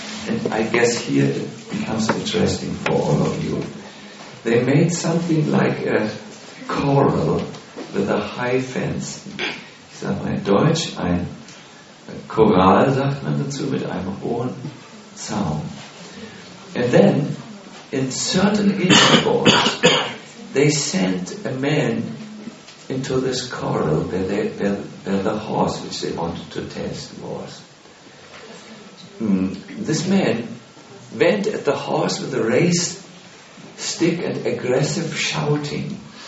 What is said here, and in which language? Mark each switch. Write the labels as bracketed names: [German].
[English] And I guess here it becomes interesting for all of you. They made something like a corral with a high fence. [German] Ich sag mal in Deutsch, ein Korall, sagt man dazu, mit einem hohen Zaun. [English] And then, in certain intervals, they sent a man into this corral where the horse which they wanted to test was. This man went at the horse with a raised stick and aggressive shouting.